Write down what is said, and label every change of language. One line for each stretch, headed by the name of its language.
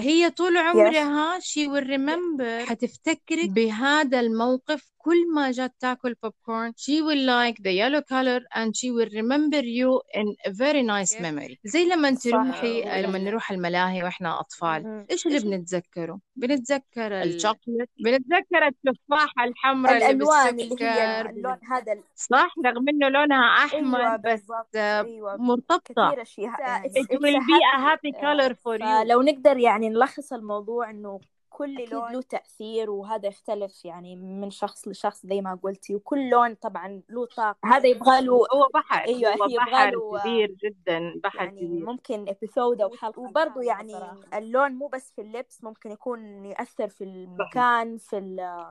Arabic: هي طول عمرها
English: she will remember،
Arabic: حتفتكرك بهذا الموقف، كل ما جات تاكل
English: popcorn she will like the yellow color and she will remember you in a very nice memory.
Arabic: زي لما تروحي لما نروح الملاهي وإحنا أطفال، إيش اللي بنتذكره؟ بنتذكر الشوكولات، بنتذكر التفاحة الحمراء، الألوان اللي هي اللون هذا صح، رغم إنه لونها أحمر بس مرتبطة.
English: It will be a happy color for you.
Arabic: لو نقدر يعني نلخص الموضوع إنه كل لون له تأثير، وهذا يختلف يعني من شخص لشخص زي ما قلتي، وكل لون طبعا له طاقة، هذا يبغاله هو بحر. أيوة هو بحر يبغاله كبير جدا، بحر يعني كبير. ممكن إبيثودة وحلقة، وبرضو يعني صراحة اللون مو بس في اللبس، ممكن يكون يأثر في المكان، في